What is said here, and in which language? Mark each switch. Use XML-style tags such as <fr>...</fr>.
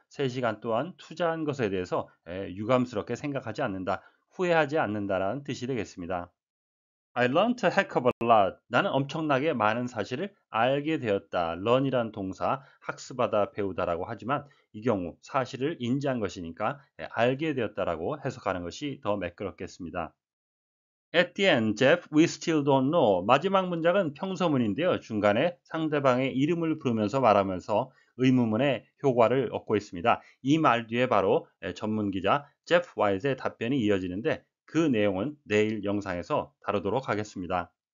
<ko>3시간 동안 투자한 것에 대해서 유감스럽게 생각하지 않는다, 후회하지 않는다라는 뜻이 되겠습니다.</ko> <en>I learned a heck of a lot.</en> <ko>나는 엄청나게 많은 사실을 알게 되었다. learn이란 동사, 학습하다, 배우다라고 하지만 이 경우 사실을 인지한 것이니까 알게 되었다라고 해석하는 것이 더 매끄럽겠습니다.</ko> <en>At the end, Jeff, we still don't know.</en> <ko>마지막 문장은 평서문인데요. 중간에 상대방의 이름을 부르면서 말하면서 의문문의 효과를 얻고 있습니다. 이 말 뒤에 바로 전문기자 Jeff Wise의 답변이 이어지는데 그 내용은 내일 영상에서 다루도록 하겠습니다.</ko>